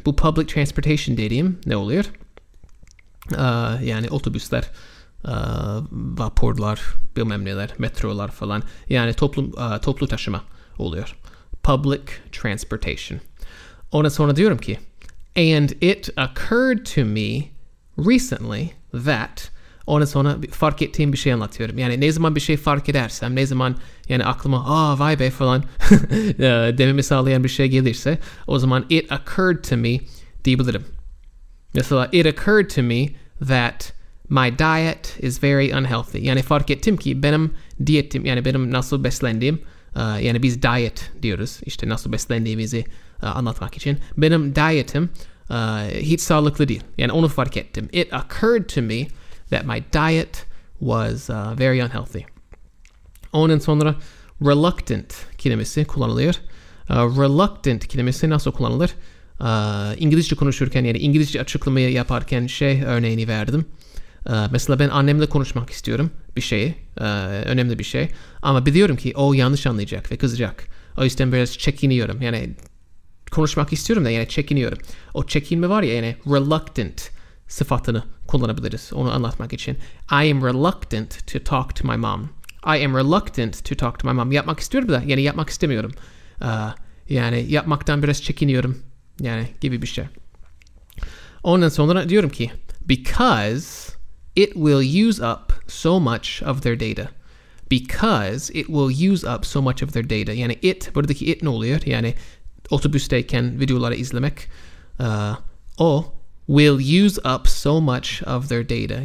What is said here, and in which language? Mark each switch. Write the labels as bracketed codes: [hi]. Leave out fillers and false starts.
[tr] Bu public transportation dediğim ne oluyor? Yani otobüsler, vapurlar, bilmem neler, metrolar falan. Yani toplu taşıma oluyor. [en] Public transportation. [tr] Ondan sonra diyorum ki, [en] and it occurred to me recently that, [tr] ondan sonra fark ettiğim bir şey anlatıyorum. Yani ne zaman bir şey fark edersem, ne zaman yani aklıma "Aa, vay be" falan dememi sağlayan bir şey gelirse, o zaman [en] it occurred to me [tr] diyebilirim. [en] Mesela it occurred to me that my diet is very unhealthy. [tr] Yani fark ettim ki benim diyetim, yani benim nasıl beslendiğim, yani biz diet diyoruz işte nasıl beslendiğimizi anlatmak için. Benim dietim hiç sağlıklı değil. Yani onu fark ettim. [en] It occurred to me that my diet was very unhealthy. [tr] Ondan sonra reluctant kelimesi kullanılıyor. Reluctant kelimesi nasıl kullanılır? İngilizce konuşurken, yani İngilizce açıklamayı yaparken şey örneğini verdim. Mesela ben annemle konuşmak istiyorum bir şeyi, önemli bir şey. Ama biliyorum ki o yanlış anlayacak ve kızacak. O yüzden biraz çekiniyorum. Yani konuşmak istiyorum da yani çekiniyorum. O çekinme var ya, yani reluctant sıfatını kullanabiliriz onu anlatmak için. [en] I am reluctant to talk to my mom. I am reluctant to talk to my mom. [tr] Yapmak istiyorum da yani yapmak istemiyorum. Yani yapmaktan biraz çekiniyorum. Yani gibi bir şey. Ondan sonra diyorum ki, [en] because it will use up so much of their data. Because it will use up so much of their data. [tr] Yani it, buradaki it ne oluyor? Yani otobüsteyken videoları izlemek. [en] O will use up so much of their data.